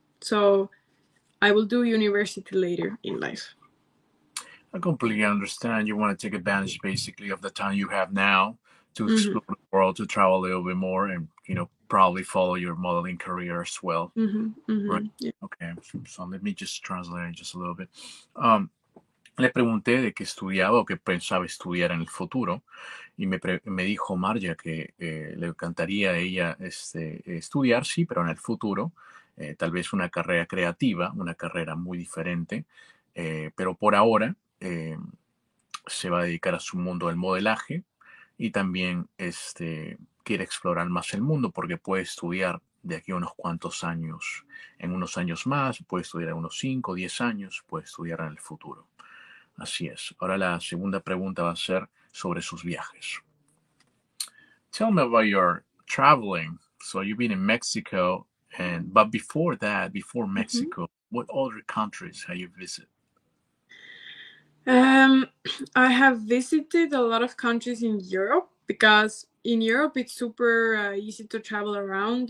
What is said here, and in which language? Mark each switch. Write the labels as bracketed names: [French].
[English] So I will do university later in life. I completely understand. You want to take advantage basically of the time you have now to explore the world, to travel a little bit more and, you know, probably follow your modeling career as well. Okay, so let me just translate it just a little bit. [Spanish] Le pregunté de qué estudiaba o qué pensaba estudiar en el futuro y me dijo Marja que le encantaría a ella estudiar, sí, pero en el futuro. Tal vez una carrera creativa, una carrera muy diferente, pero por ahora se va a dedicar a su mundo del modelaje y también quiere explorar más el mundo porque puede estudiar de aquí a unos cuantos años, en unos años más, puede estudiar en unos 5 o 10 años, puede estudiar en el futuro. Así es. Ahora la segunda pregunta va a ser sobre sus viajes. [English] Tell me about your traveling. So you've been in Mexico. And but before that, before Mexico, what other countries have you visited? I have visited a lot of countries in Europe because in Europe it's super easy to travel around.